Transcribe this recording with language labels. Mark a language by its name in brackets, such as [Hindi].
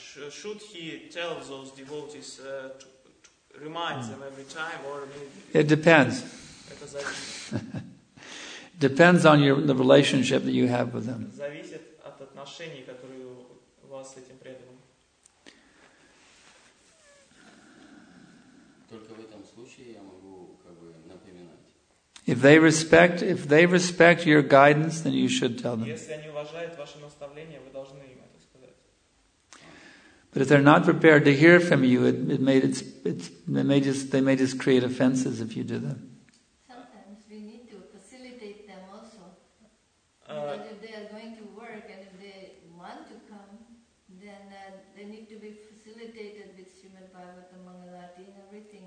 [English] Should he tell those devotees to remind them every time, or maybe it depends. Depends on the relationship that you have with them. [Russian] Зависит от отношений, которые у вас с этим преданным. Только в этом случае я могу как бы напоминать. [English] If they respect your guidance, then you should tell them. [Russian] Если они уважают ваше наставление, вы должны им. [English] But if they're not prepared to hear from you, they may just create offenses if you do that. Sometimes we need to facilitate them also. If they are going to work and if they want to come, then they need to be facilitated with Srimad Bhagavatam Mangalarti and everything.